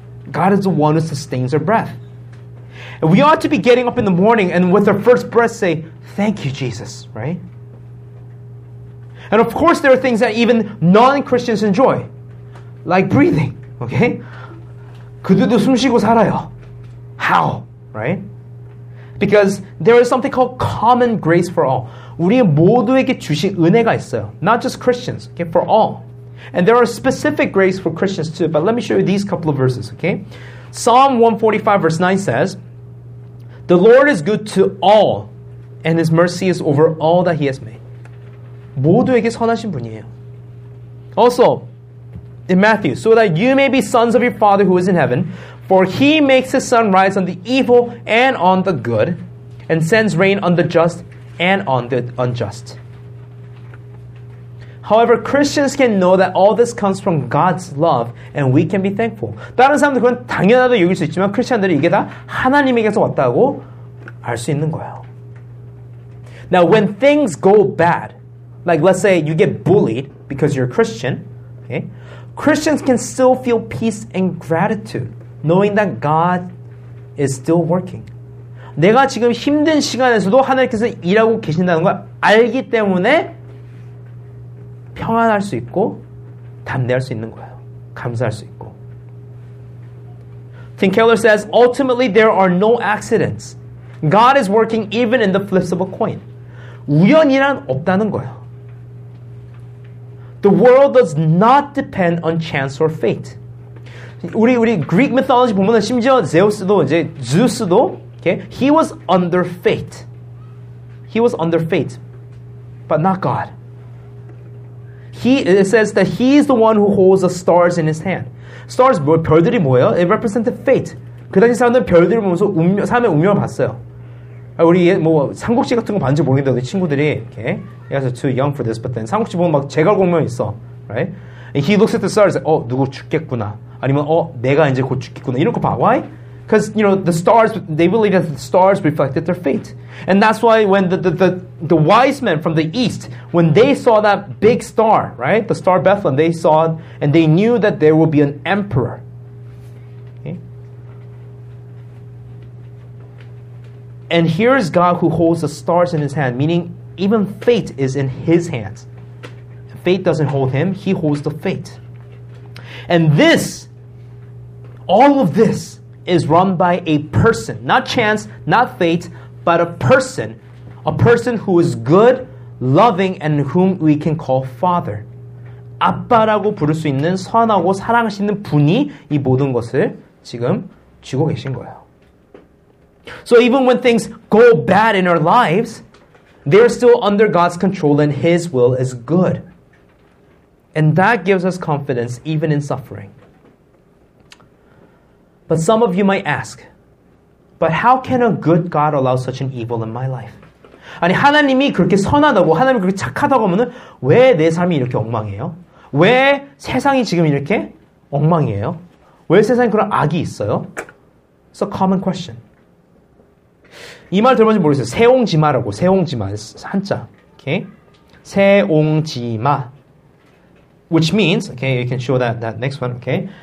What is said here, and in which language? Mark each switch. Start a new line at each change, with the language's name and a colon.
English: God is the one who sustains our breath. And we ought to be getting up in the morning and with our first breath say, thank you, Jesus, right? And of course, there are things that even non-Christians enjoy, like breathing, okay?
Korean: 그들도 숨 쉬고 살아요.
English: How, right? Because there is something called common grace for all.
Korean: 우리 모두에게 주신 은혜가 있어요.
English: Not just Christians, okay? For all. And there are specific grace for Christians too, but let me show you these couple of verses, okay? Psalm 145 verse 9 says, The Lord is good to all, and His mercy is over all that He has made.
Korean: 모두에게 선하신 분이에요.
English: Also, in Matthew, So that you may be sons of your Father who is in heaven, for He makes His sun rise on the evil and on the good, and sends rain on the just and on the unjust. However, Christians can know that all this comes from God's love and we can be thankful.
Korean: 다른 사람들은 당연하다고 여길 수 있지만 크리스천들은 이게 다 하나님에게서 왔다고 알 수 있는 거예요.
English: Now, when things go bad, like let's say you get bullied because you're a Christian, okay, Christians can still feel peace and gratitude knowing that God is still working.
Korean: 내가 지금 힘든 시간에서도 하나님께서 일하고 계신다는 걸 알기 때문에 평안할 수 있고 담대할 수 있는 거예요. 감사할 수 있고.
English: Tim Keller says, Ultimately, there are no accidents. God is working even in the flips of a coin.
Korean: 우연이란 없다는 거예요.
English: The world does not depend on chance or fate. 우리 Greek mythology
Korean: 보면 심지어 제우스도
English: okay, he was under fate. He was under fate, but not God. It says that He is the one who holds the stars in His hand. Stars,
Korean: 별들이 뭐예요?
English: It represented fate.
Korean: 그 당시 사람들은 별들을 보면서 운명, 삶의 운명을 봤어요. 우리 뭐 삼국지 같은 거 봤는지 모르겠는데 우리 친구들이 이렇게 okay?
English: They're too young for this, but then 삼국지
Korean: 보면 막 제갈 공명 있어,
English: right? And he looks at the stars.
Korean: 어, 누구 죽겠구나. 아니면 어, 내가 이제 곧 죽겠구나. 이런 거 봐.
English: Why? Because you know the stars. They believe that the stars reflected their fate. And that's why when the wise men from the east, when they saw that big star, right? The star Bethlehem, they saw it and they knew that there would be an emperor. Okay? And here is God who holds the stars in His hand, meaning even fate is in His hands. Fate doesn't hold Him, He holds the fate. And this, all of this is run by a person, not chance, not fate, but a person who is good, loving, and whom we can call Father.
Korean: 아빠라고 부를 수 있는 선하고 사랑하시는 분이 이 모든 것을 지금 쥐고 계신 거예요.
English: So even when things go bad in our lives, they are still under God's control and His will is good. And that gives us confidence even in suffering. But some of you might ask, But how can a good God allow such an evil in my life?
Korean: 아니 하나님이 그렇게 선하다고 하나님이 그렇게 착하다고 하면은 왜 내 삶이 이렇게 엉망이에요? 왜 세상이 지금 이렇게 엉망이에요? 왜 세상에 그런 악이 있어요?
English: It's a common question.
Korean: 이 말 들어본지 모르겠어요. 세옹지마라고 세옹지마 한자. Okay? 세옹지마.
English: Which means, okay, you can show that next one, okay.